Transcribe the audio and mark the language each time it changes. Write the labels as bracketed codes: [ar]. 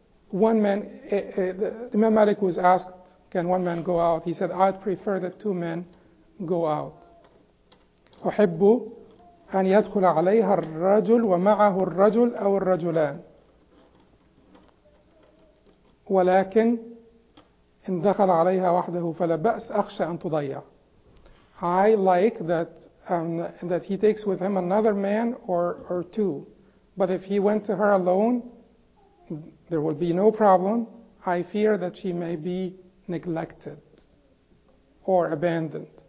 [en] One man, the Imam Malik was asked, can one man go out? He said, I'd prefer that two men go out. [ar] أحبّ أن يدخل عليها الرجل ومعه الرجل أو الرجلان. ولكن إن دخل عليها وحده فلا بأس أخشى أن تضيع. [en] I like that that he takes with him another man or two. But if he went to her alone, there will be no problem. I fear that she may be neglected or abandoned.